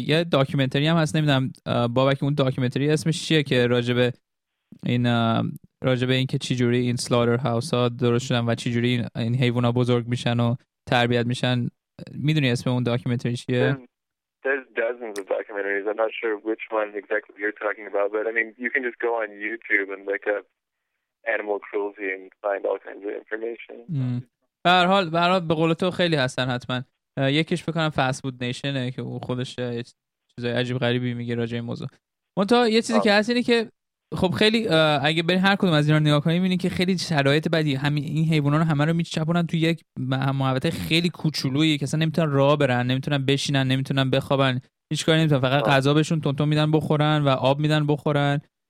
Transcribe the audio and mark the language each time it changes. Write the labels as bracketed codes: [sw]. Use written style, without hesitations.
[fa] یه داکیومنتری هم هست، نمیدونم بابک اون داکیومنتری اسمش چیه که راجبه این راجبه این که چی جوری این سلاتر هاوس ها درست شدن و چی جوری این حیوان ها بزرگ میشن و تربیت میشن. میدونی اسم اون داکیومنتری چیه؟ [en] There's dozens of documentaries. I'm not sure which one exactly you're talking about, but I mean, you can just go on YouTube and look up animal cruelty and find all kinds of information. [fa] به هر حال به قول تو خیلی هستن حتما. یکیش بکنم فست فود نیشنه که او خودش چیزای عجیب غریبی میگه راجع به این موضوع. منتها یه چیزی که هست اینه که خب خیلی اگه بری هر کدوم از اینا رو نگاه کنی می‌بینی که خیلی شرایط بدی، همین این حیوانا رو همه رو میچپونن تو یک محوطه خیلی کوچولویی که اصلا نمیتونن راه برن، نمیتونن بشینن، نمیتونن بخوابن، هیچ کاری نمیتونن، فقط غذا بهشون تونتون میدن بخورن و آب میدن بخورن.